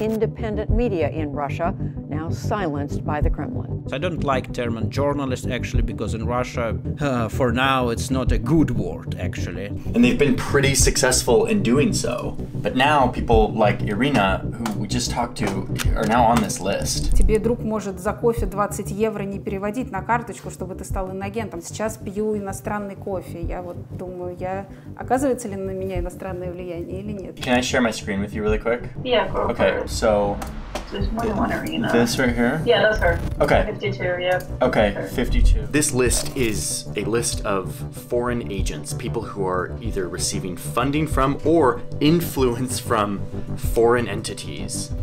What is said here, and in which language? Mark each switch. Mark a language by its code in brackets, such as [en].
[en] Independent media in Russia now silenced by the Kremlin. I don't like the term journalist, actually, because in Russia, for now, it's not a good word, actually. And they've been pretty successful in doing so. But now, people like Irina, who we just talked to, are now on this list. [ru] Тебе друг может за кофе 20 евро не переводить на карточку, чтобы ты стал иноагентом. Сейчас пью иностранный кофе. Я вот думаю, я оказывается ли на меня иностранное влияние или нет? [en] Can I share my screen with you really quick? Yeah, okay, so... There's more than one arena. This right here? Yeah, that's her. Okay. 52, yeah. Okay, 52. This list is a list of foreign agents, people who are either receiving funding from or influence from foreign entities.